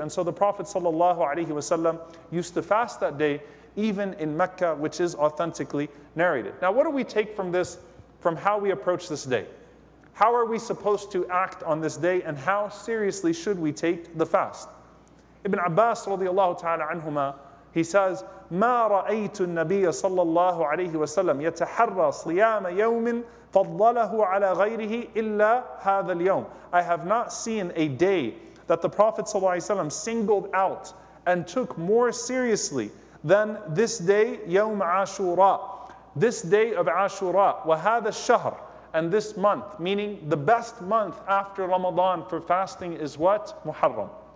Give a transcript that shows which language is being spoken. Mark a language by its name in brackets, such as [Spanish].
[English] And so the Prophet sallallahu alayhi wa sallam used to fast that day, even in Mecca, which is authentically narrated. Now, what do we take from this, from how we approach this day? How are we supposed to act on this day, and how seriously should we take the fast? Ibn Abbas radiallahu ta'ala anhuma, he says, [Arabic] مَا رَأَيْتُ النَّبِيَّ صَلَّى اللَّهُ عَلَيْهِ وَسَلَّمَ يَتَحَرَّى صِيَامَ يَوْمٍ فَضَّلَهُ عَلَى غَيْرِهِ إِلَّا هَذَا الْيَوْمِ. [English] I have not seen a day that the Prophet singled out and took more seriously than this day, [Arabic] يَوْمَ عَاشُورَى. [English] This day of Ashura, [Arabic] وَهَذَا الشَّهْرِ, [English] and this month, meaning the best month after Ramadan for fasting is what? Muharram.